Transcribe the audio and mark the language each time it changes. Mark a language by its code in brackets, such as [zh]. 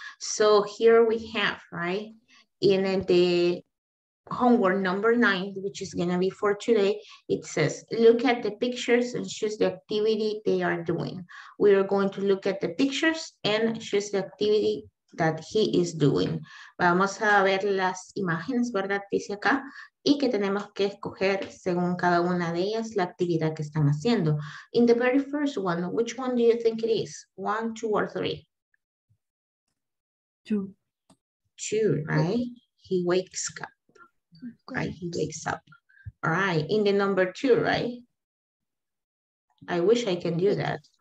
[en] So here we have, right, in the homework number 9, which is going to be for today, it says, look at the pictures and choose the activity they are doing. We are going to look at the pictures and choose the activity that he is doing. [es] Vamos a ver las imágenes, ¿verdad? Dice acá, y que tenemos que escoger según cada una de ellas la actividad que están haciendo. [en] In the very first one, which one do you think it is? 1, 2, or 3? 2. 2, right? He wakes up. Right, he wakes up. All right, in the number 2, right? I wish I can do that.